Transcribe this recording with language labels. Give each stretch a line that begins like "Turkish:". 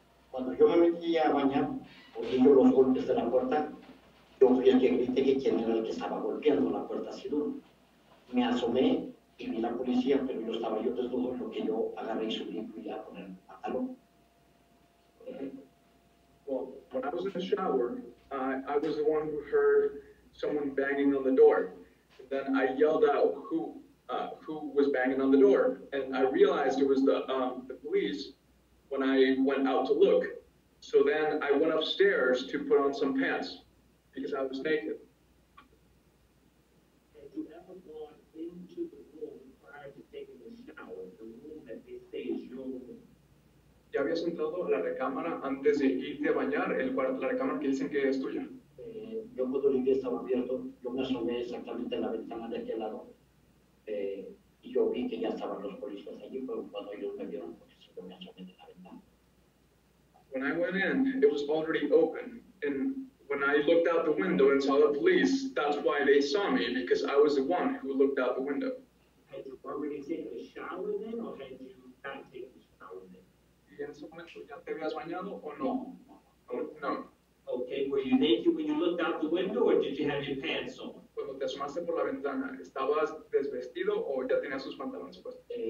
Spanish: Cuando yo me metí a bañar, oí yo los golpes de la puerta. Yo fui el que grité que quién era el que estaba golpeando la puerta, así duro. Me asomé y vi la policía, pero yo estaba yo desnudo, porque yo agarré y subí y fui a poner el pantalón.
English: Well, when I was in the shower, I was the one who heard someone banging on the door. Then I yelled out, who was banging on the door, and I realized it was the police when I went out to look. So then I went upstairs to put on some pants because I was naked. Had you ever gone into the room prior to taking a shower, the room that they say is your room?
Spanish: ¿Ya habías entrado a la recámara antes de irte a bañar, la recámara que dicen que es tuya? Yo cuando limpié estaba abierto, yo me asomé exactamente en la ventana de aquel lado. Y yo vi que ya estaban los policías allí, pero cuando ellos me vieron, pues yo me asomé de la ventana.
English: When I went in, it was already open, and when I looked out the window and saw the police, that's why they saw me, because I was the one who looked out the window. Had you already taken a shower then, or had you not taken a shower then?
Spanish: ¿Y en ese momento ya te habías bañado o no? No.
English: Okay, were you naked when you looked out the window, or did you have your pants on?
Spanish: Cuando te asomaste por la ventana, ¿estabas desvestido o ya tenías sus pantalones puestos?